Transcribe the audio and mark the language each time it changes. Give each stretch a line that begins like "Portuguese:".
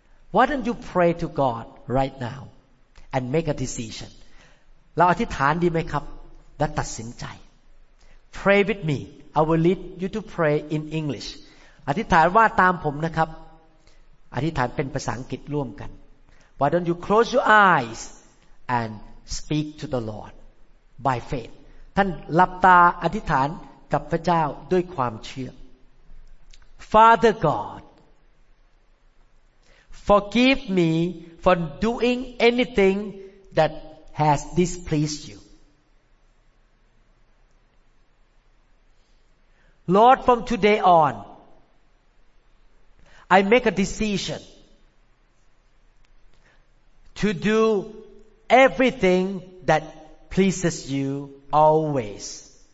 English: Why don't you pray to God right now and make a decision?
Thai: เราอธิษฐานดีไหมครับและตัดสินใจ
English: Pray with me. I will lead you to pray in English.
Thai: อธิษฐานว่าตามผมนะครับอธิษฐานเป็นภาษาอังกฤษร่วมกัน
English: Why don't you close your eyes and speak to the Lord by faith?
Thai: ท่านหลับตาอธิษฐานกับพระเจ้าด้วยความเชื่อ
English: Father God, forgive me for doing anything that has displeased you. Lord, from today on, I make a decision to do everything that pleases you always.